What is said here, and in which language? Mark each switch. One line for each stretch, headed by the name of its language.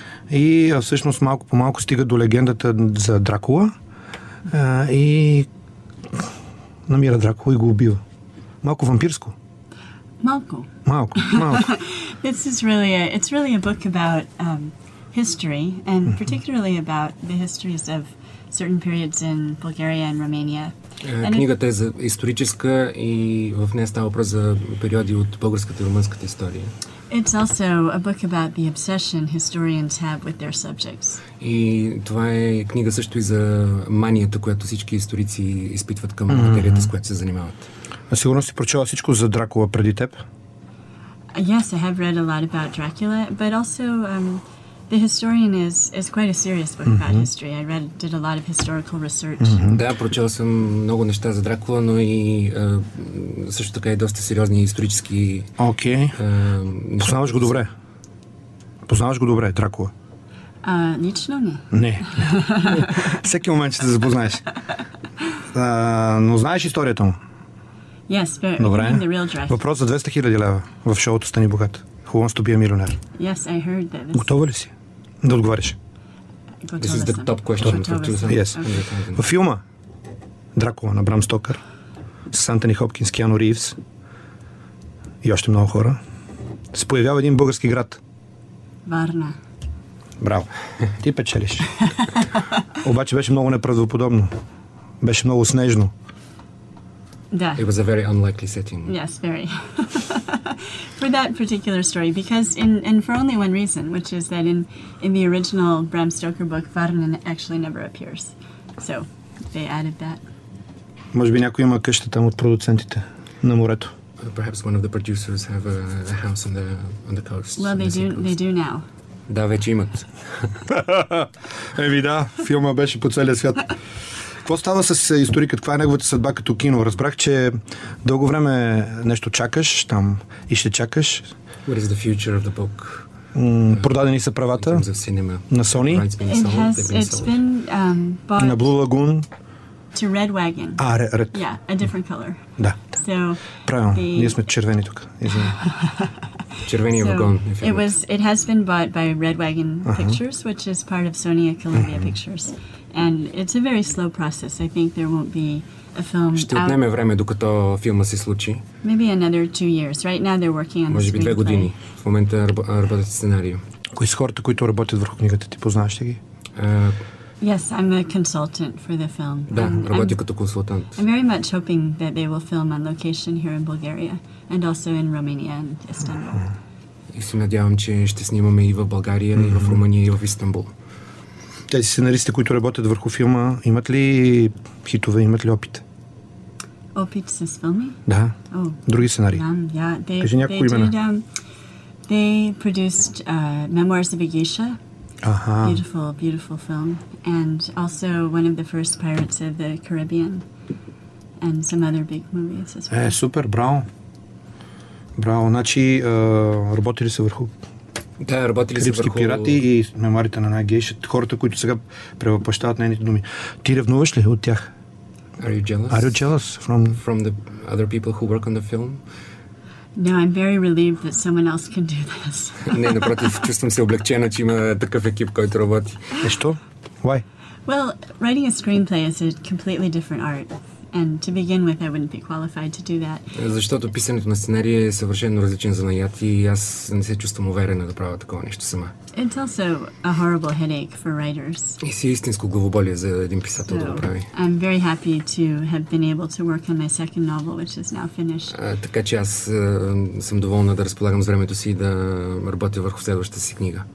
Bulgarian: И всъщност малко по малко стига до легендата за Дракула и намира Дракула и го убива. Малко вампирско. Малко.
English: This is really it's really a book about history and particularly about the histories of certain periods in Bulgaria and Romania.
Bulgarian: Книгата е за историческа и в нея става въпрос за периоди от българската и румънската история.
English: It's also a book about the obsession historians have with their subjects.
Bulgarian: И това е книга също и за манията, която всички историци изпитват към материята, с която се занимават. А сигурно си прочела всичко за Дракула преди теб?
English: Yes, I have read a lot about Dracula, but also the historian is quite a serious book about history. I did a lot of historical research.
Bulgarian: Да, прочел съм много неща за Дракула, но и също така и доста сериозни исторически... Окей. Познаваш го добре? Познаваш го добре, Дракула? Лично не. Не. Всеки момент ще се запознаеш. Но знаеш историята му?
English: Yes, but
Bulgarian: добре.
English: In the real dress.
Bulgarian: Въпрос за 200 000 лева в шоуто Стани богат. Хубаво сте бия милионер.
English: Yes, I heard that. This...
Bulgarian: Готова ли си да отговориш?
English: This is the top question. Yes. Okay.
Bulgarian: В филма Дракула на Брам Стокър с Антони Хопкинс, Киану Ривз и още много хора се появява един български град. Варна. Браво. Ти печелиш. Обаче беше много неправдоподобно. Беше много снежно. Да.
English: It was a very unlikely setting. Yes, very. For that particular story, because and for only one reason, which is that in the original Bram Stoker book, Varna actually never appears. So they added that.
Bulgarian: Може би някой има къща там от продуцентите на морето.
English: Perhaps one of the producers have a house on the coast. Well, they do now.
Bulgarian: Да, вече имат. Еми да, филма беше по целия свят. Какво става с историкът? Каква е неговата съдба като кино? Разбрах, че дълго време нещо чакаш там и ще чакаш.
English: What is the future of the book?
Bulgarian: Продадени са правата
English: in terms of cinema.
Bulgarian: На Sony.
English: It's been
Bulgarian: на Blue Lagoon.
English: To Red Wagon. Red. Yeah, a different color.
Bulgarian: Да.
English: So,
Bulgarian: правилно, ние сме червени тук. Червения вагон.
English: It has been bought by Red Wagon Pictures, which is part of Sony Columbia Pictures. And it's a very slow process. I think there won't be a film.
Bulgarian: Ще отнеме време, докато филма се случи.
English: Maybe another 2 years. Right now they're working on the screenplay.
Bulgarian: Може би 2 години. В момента работят сценарио. Кои са хората, които работят върху книгата? Ти познаваш ли ги?
English: Yes, I'm a consultant for the film.
Bulgarian: Да, работя като консултант.
English: I'm very much hoping that they will film on location here in Bulgaria and also in Romania and Istanbul.
Bulgarian: И се надявам, че ще снимаме и в България, и в Румъния, и в Истанбул. Тези сценаристи, които работят върху филма, имат ли хитове, имат ли опит? Опит с филми? Да.
English: Oh.
Bulgarian: Други сценарии.
English: Yeah, they,
Bulgarian: кажи някои имена.
English: They produced Memoirs of a Geisha. Aha. Beautiful, beautiful film. And also one of the first Pirates of the Caribbean. And some other big movies as well.
Bulgarian: Супер, браво. Браво. Значи, работили са върху карибски пирати и мемуарите на най-гейша. Хората, които сега превъплащават нейните думи. Ти ревнуваш ли от тях?
English: Are you jealous? Are you jealous from the other people who work on the film? No, I'm very relieved that someone else can do this.
Bulgarian: Не, напротив, чувствам се облегчена, че има такъв екип, който работи. Защо?
English: Why? Well, writing a screenplay is a completely different art. And to begin with, I wouldn't be qualified to do that.
Bulgarian: Защото писането на сценария е съвършено различен занаят и аз не се чувствам уверена да правя такова нещо сама.
English: It's also a horrible headache for writers.
Bulgarian: И си истинско главоболие за един писател да го прави.
English: I'm very happy to have been able to work on my second novel, which is now finished.
Bulgarian: Така че аз съм доволна да разполагам с времето си да работя върху следващата си книга.